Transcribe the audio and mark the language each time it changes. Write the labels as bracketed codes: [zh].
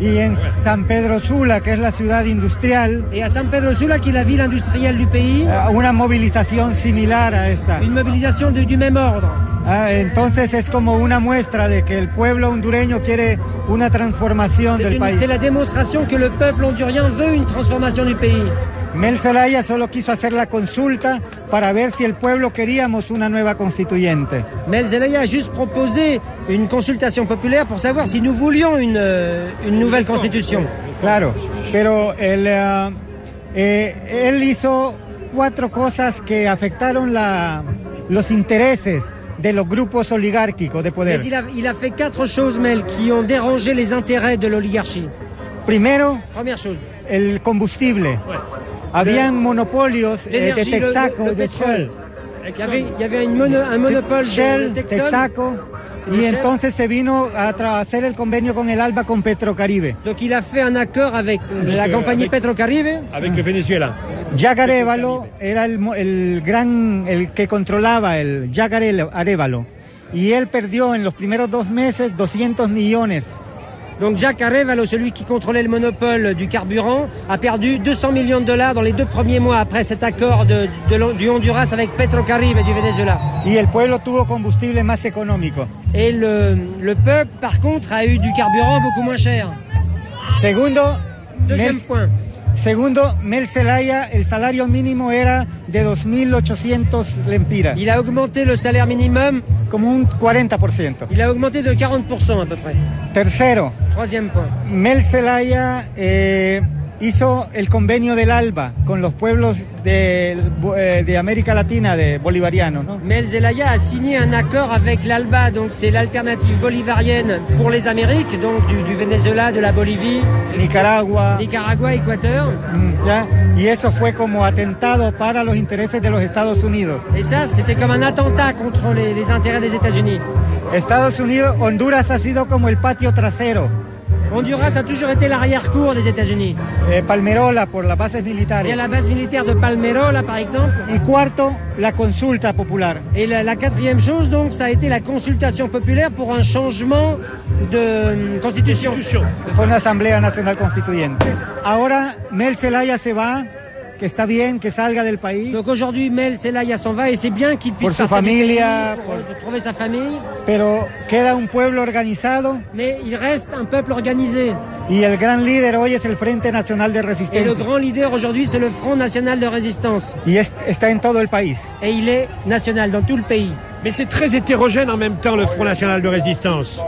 [es] Y en San Pedro Sula, que es la ciudad industrial. [fr] Et à San Pedro Sula, qui est la ville industrielle du pays. [es] Una movilización similar a esta. [fr] Une mobilisation du même ordre. [es] Ah, entonces es como una muestra de que el pueblo hondureño quiere una transformación [fr] c'est [es] del [fr] une, [es] país. [fr] C'est la démonstration que le peuple hondurien veut une transformation du pays. [es] Mel Zelaya solo quiso hacer la consulta para ver si el pueblo queríamos una nueva constituyente. [fr] Mel Zelaya a juste proposé une consultation populaire pour savoir si nous voulions une nouvelle constitution. [es] Claro, pero el, él hizo cuatro cosas que afectaron la, los intereses de los grupos oligárquicos de poder. [fr] Mais il a fait quatre choses, Mel, qui ont dérangé les intérêts de l'oligarchie. [es] Primero, [fr] première chose, [es] el combustible. [fr] Ouais. [es] Habían monopolios de Texaco, [fr] le pétrole. [es] Shell. [fr] Il y avait un monopole de Shell, Texaco. [es] Y entonces se vino a hacer el convenio con el ALBA con Petrocaribe. [fr] Donc il a fait un accord avec la compagnie Petrocaribe. Avec le Venezuela. [es] Jack Arévalo era el gran, el que controlaba el Jack Arévalo. Y él perdió en los primeros dos meses 200 millones. [fr] Donc Jack Arévalo, celui qui contrôlait le monopole du carburant, a perdu 200 millions de dollars dans les deux premiers mois après cet accord du Honduras avec Petrocaribe du Venezuela. [es] Y el pueblo tuvo combustible más económico. [fr] Et le peuple, par contre, a eu du carburant beaucoup moins cher. [es] Segundo, [fr] deuxième point. [es] Segundo, Mel Zelaya, el salario mínimo era de 2.800 lempiras. [fr] Il a augmenté le salaire minimum. [es] Como un 40%. [fr] Il a augmenté de 40% à peu près. [es] Tercero. [fr] Troisième point. [es] Mel Zelaya hizo el convenio del ALBA con los pueblos de América Latina, de bolivariano. ¿No? [fr] Mel Zelaya a signé un accord avec l'ALBA, donc c'est l'alternative bolivarienne pour les Amériques, donc du Venezuela, de la Bolivie. [es] Nicaragua. Nicaragua, Ecuador. ¿Ya? Y eso fue como atentado para los intereses de los Estados Unidos. [fr] Et ça, c'était comme un attentat contre les intérêts des États-Unis. [es] Estados Unidos, Honduras ha sido como el patio trasero. [fr] Honduras a toujours été l'arrière-cour des États-Unis. Palmerola pour la base militaire. Et à la base militaire de Palmerola, par exemple. [es] Y cuarto, la consulta popular. [fr] Et la quatrième chose, donc, ça a été la consultation populaire pour un changement de constitution. [es] Con Asamblea Nacional Constituyente. Ahora, Mel Zelaya se va. Que está bien que salga del país. [fr] Donc aujourd'hui, Mel Zelaya s'en va et c'est bien qu'il puisse [es] partir familia, [fr] pour trouver sa famille. [es] Pero queda un pueblo organizado. [fr] Mais il reste un peuple organisé. [es] Y el gran líder hoy es el Frente Nacional de Resistencia. [fr] Et le grand leader aujourd'hui, c'est le Front National de Résistance. [es] Y está en todo el país. [fr] Et il est national dans tout le pays. Mais c'est très hétérogène en même temps, le Front National de Résistance.